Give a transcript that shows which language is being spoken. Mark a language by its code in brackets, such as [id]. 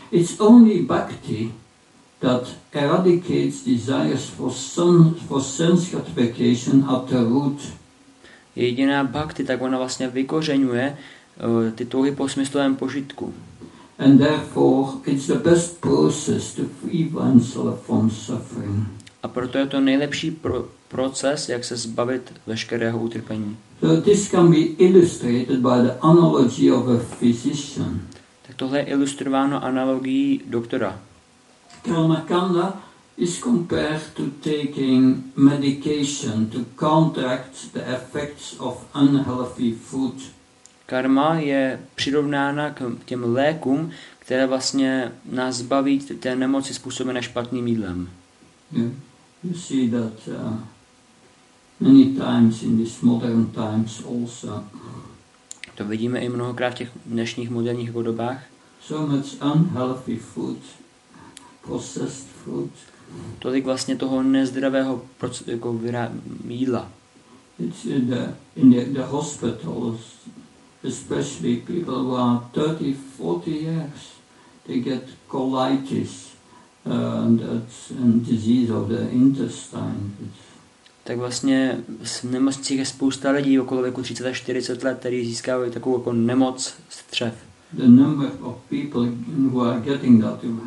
[en] It's only bhakti that eradicates desires for sense gratification at the root. [cs] Jediná bhakti, tak ona vlastně vykořenuje ty touhy po smyslovém požitku. [en] And therefore it's the best process to free oneself from suffering. [cs] A proto je to nejlepší proces, jak se zbavit veškerého utrpení. [en] So this can be illustrated by the analogy of a physician. [cs] Tak tohle je ilustrováno analogií doktora. [en] Karma kanda is compared to taking medication to counteract the effects of unhealthy food. [cs] Karma je přirovnána k těm lékům, které vlastně nás zbaví té nemoci způsobené špatným jídlem. [en] You see that many times in these modern times also. [cs] To vidíme i mnohokrát v těch dnešních moderních dobách. [en] So much unhealthy food. Processed food. [cs] Tolik vlastně toho nezdravého jako jídla. [en] It's in the hospitals, especially people who are 30, 40 years, they get colitis and disease of the intestine. [cs] Tak vlastně v nemocnicích je spousta lidí okolo věku 30 a 40 let, kteří získávají takovou jako nemoc střev. [en] The number of people who are getting that,